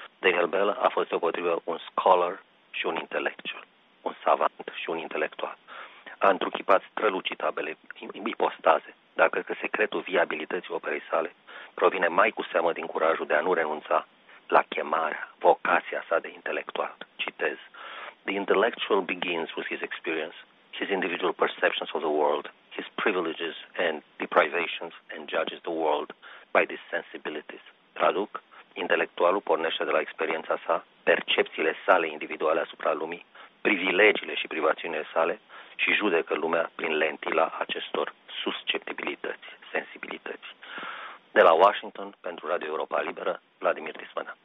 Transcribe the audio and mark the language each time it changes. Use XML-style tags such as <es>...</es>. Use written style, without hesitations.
<ro>Daniel Bell a fost deopotrivă un scholar și un intellectual, un savant și un intelectual. A întruchipat strălucit ambele ipostaze, dar cred că secretul viabilității operei sale provine mai cu seamă din curajul de a nu renunța la chemarea, vocația sa de intelectual.</ro> <en>Citez: The intellectual begins with his experience, his individual perceptions of the world, his privileges and deprivations, and judges the world by these sensibilities.</en> <ro>Traduc: intelectualul pornește de la experiența sa, percepțiile sale individuale asupra lumii, privilegiile și privațiunile sale și judecă lumea prin lentila acestor susceptibilități, sensibilități. De la Washington, pentru Radio Europa Liberă, Vladimir Tismana.</ro>